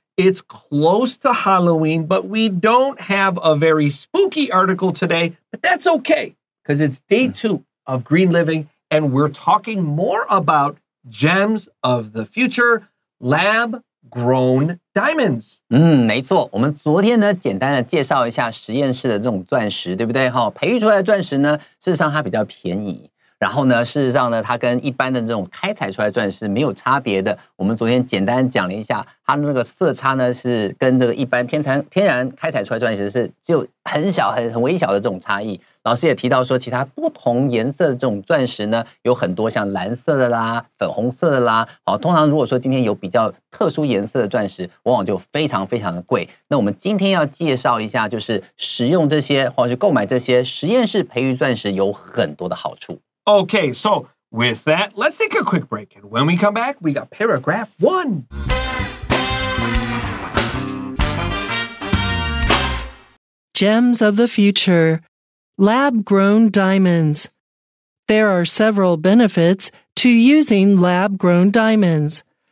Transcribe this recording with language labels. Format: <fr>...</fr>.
<en>It's close to Halloween, but we don't have a very spooky article today. But that's okay, because it's day two of Green Living, and we're talking more about gems of the future, lab-grown diamonds.</en> <zh>没错，我们昨天呢简单的介绍一下实验室的这种钻石，对不对？哈，培育出来的钻石呢，事实上它比较便宜。然后呢，事实上呢，它跟一般的这种开采出来的钻石没有差别的。我们昨天简单讲了一下，它的那个色差呢，是跟这个一般天然开采出来的钻石是就很小、很微小的这种差异。老师也提到说，其他不同颜色的这种钻石呢，有很多像蓝色的啦、粉红色的啦。好，通常如果说今天有比较特殊颜色的钻石，往往就非常非常的贵。那我们今天要介绍一下，就是使用这些或者是购买这些实验室培育钻石有很多的好处。</zh> <en>Okay, so with that, let's take a quick break. And when we come back, we got paragraph one. Gems of the future. Lab-grown diamonds. There are several benefits to using lab-grown diamonds.</en>